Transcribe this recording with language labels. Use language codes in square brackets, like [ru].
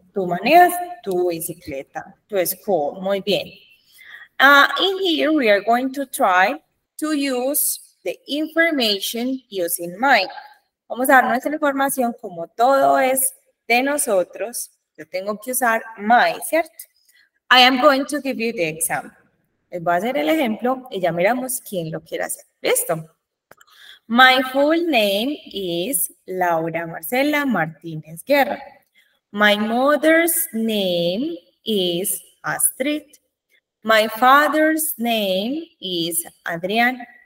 [es] Tú manejas tu bicicleta, tu school, muy bien. [en] In here we are going to try to use the information using my. [es] Vamos a dar nuestra información como todo es de nosotros, yo tengo que usar my, ¿cierto? [en] I am going to give you the example. [es] Les voy a hacer el ejemplo y ya miramos quién lo quiere hacer. [en] ¿Listo? My full name is Laura Marcela Martínez Guerra. My mother's name is Astrid. My father's name is Adrián.